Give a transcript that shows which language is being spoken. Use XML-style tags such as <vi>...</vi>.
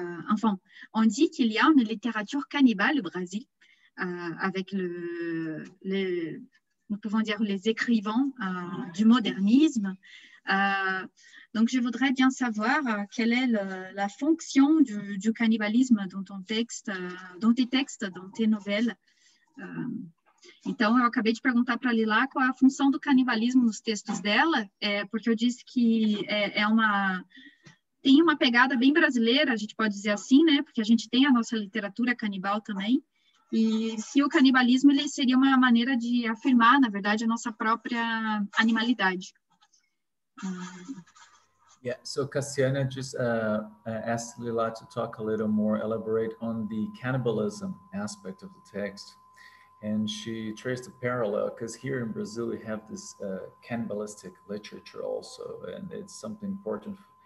<fr>enfin, on dit qu'il y a une littérature cannibale au Brésil, avec nous pouvons dire les écrivains du modernisme. Donc, je voudrais bien savoir quelle est la fonction du cannibalisme dans tes nouvelles.</fr> <pt>Então, eu acabei de perguntar para a Lila qual é a função do canibalismo nos textos dela, porque eu disse que tem uma pegada bem brasileira, a gente pode dizer assim, né? Porque a gente tem a nossa literatura canibal também. E se o canibalismo ele seria uma maneira de afirmar, na verdade, a nossa própria animalidade.</pt> <en>Yeah, so Cassiana just asked Lila to talk a little more, elaborate on the cannibalism aspect of the text. And she traced a parallel, because here in Brazil we have this cannibalistic literature also, and it's something important.</en>